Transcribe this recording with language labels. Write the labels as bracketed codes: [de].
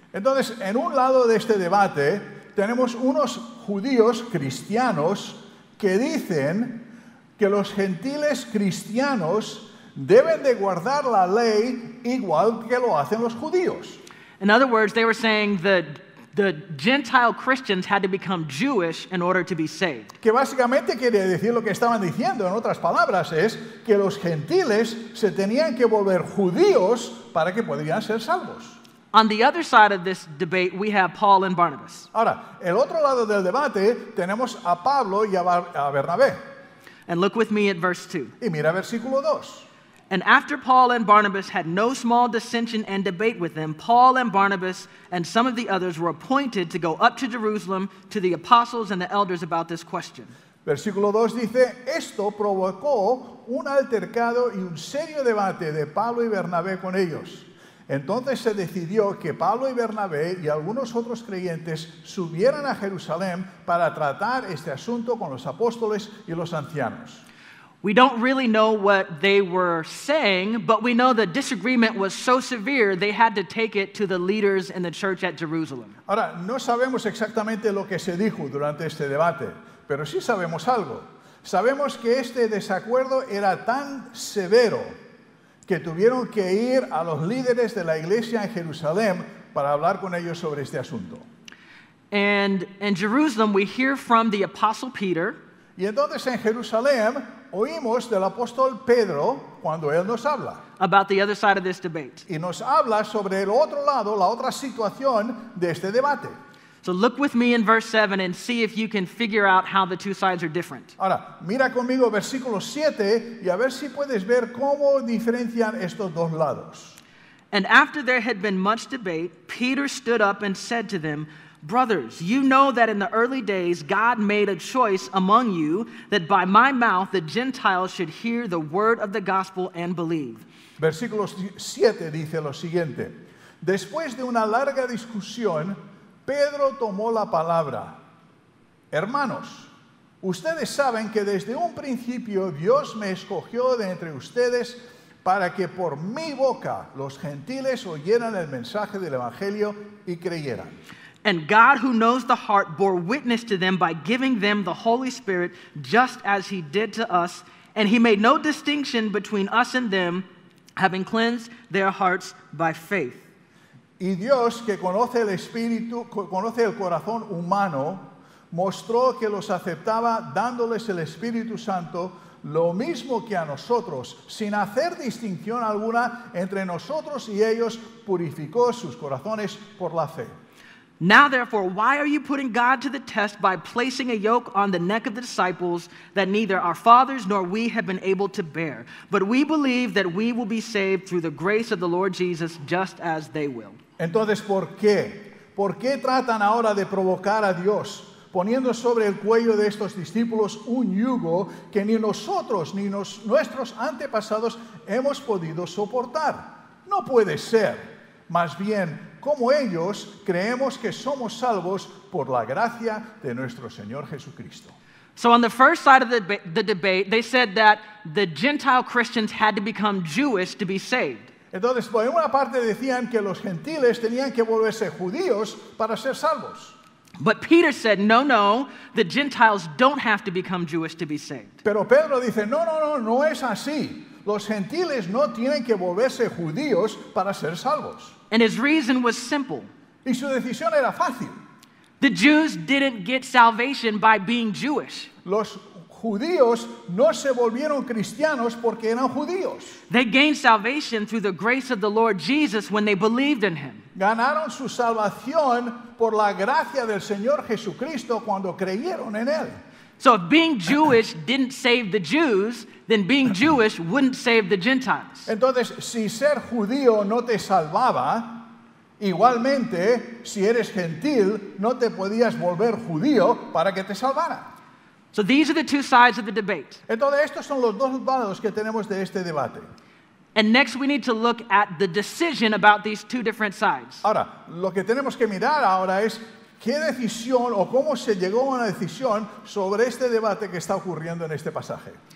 [es] Entonces, en un lado de este debate, tenemos unos judíos cristianos que dicen que los gentiles cristianos deben de guardar la ley igual que lo hacen los judíos. [en] In other words, they were saying that the Gentile Christians had to become Jewish in order to be saved. [es] Que básicamente quería decir lo que estaban diciendo, en otras palabras, es que los gentiles se tenían que volver judíos para que podrían ser salvos. [en] On the other side of this debate, we have Paul and Barnabas. [es] Ahora, el otro lado del debate, tenemos a Pablo y a Bernabé. [en] And look with me at verse 2. [es] Y mira versículo 2. [en] And after Paul and Barnabas had no small dissension and debate with them, Paul and Barnabas and some of the others were appointed to go up to Jerusalem to the apostles and the elders about this question. [es] Versículo 2 dice, esto provocó un altercado y un serio debate de Pablo y Bernabé con ellos. Entonces se decidió que Pablo y Bernabé y algunos otros creyentes subieran a Jerusalén para tratar este asunto con los apóstoles y los ancianos. [en] We don't really know what they were saying, but we know the disagreement was so severe they had to take it to the leaders in the church at Jerusalem. [es] Ahora, no sabemos exactamente lo que se dijo durante este debate, pero sí sabemos algo. Sabemos que este desacuerdo era tan severo que tuvieron que ir a los líderes de la iglesia en Jerusalén para hablar con ellos sobre este asunto. [en] And in Jerusalem, we hear from the Apostle Peter. [es] Y entonces en Jerusalén oímos del apóstol Pedro cuando él nos habla. [en] About the other side of this debate. [es] Y nos habla sobre el otro lado, la otra situación de este debate. [en] So look with me in verse 7 and see if you can figure out how the two sides are different. [es] Ahora, mira conmigo versículo 7 y a ver si puedes ver cómo diferencian estos dos lados. [en] And after there had been much debate, Peter stood up and said to them, "Brothers, you know that in the early days God made a choice among you that by my mouth the Gentiles should hear the word of the gospel and believe." [es] Versículo 7 dice lo siguiente. Después de una larga discusión, Pedro tomó la palabra. Hermanos, ustedes saben que desde un principio Dios me escogió de entre ustedes para que por mi boca los gentiles oyeran el mensaje del evangelio y creyeran. [en] And God, who knows the heart, bore witness to them by giving them the Holy Spirit, just as he did to us. And he made no distinction between us and them, having cleansed their hearts by faith. [es] Y Dios, que conoce el espíritu, conoce el corazón humano, mostró que los aceptaba dándoles el Espíritu Santo, lo mismo que a nosotros, sin hacer distinción alguna entre nosotros y ellos, purificó sus corazones por la fe. [en] Now, therefore, why are you putting God to the test by placing a yoke on the neck of the disciples that neither our fathers nor we have been able to bear? But we believe that we will be saved through the grace of the Lord Jesus, just as they will. [es] Entonces, ¿por qué? ¿Por qué tratan ahora de provocar a Dios, poniendo sobre el cuello de estos discípulos un yugo que ni nosotros ni nuestros antepasados hemos podido soportar? No puede ser. Más bien, como ellos, creemos que somos salvos por la gracia de nuestro Señor Jesucristo. [en] So on the first side of the debate, they said that the Gentile Christians had to become Jewish to be saved. [es] Entonces, por una parte decían que los gentiles tenían que volverse judíos para ser salvos. [en] But Peter said, no, no, the Gentiles don't have to become Jewish to be saved. [es] Pero Pedro dice, no es así. Los gentiles no tienen que volverse judíos para ser salvos. [en] And his reason was simple. [es] Y su decisión era fácil. [en] The Jews didn't get salvation by being Jewish. [es] Los judíos no se volvieron cristianos porque eran judíos. [en] They gained salvation through the grace of the Lord Jesus when they believed in him. [es] Ganaron su salvación por la gracia del Señor Jesucristo cuando creyeron en él. [en] So if being Jewish didn't save the Jews, then being Jewish wouldn't save the Gentiles. [es] Entonces, si ser judío no te salvaba, igualmente, si eres gentil, no te podías volver judío para que te salvara. [en] So these are the two sides of the debate. [es] Entonces, estos son los dos lados que tenemos de este debate. [en] And next we need to look at the decision about these two different sides. [es] Ahora, lo que tenemos que mirar ahora es ¿qué decisión o cómo se llegó a una decisión sobre este debate que está ocurriendo en este pasaje?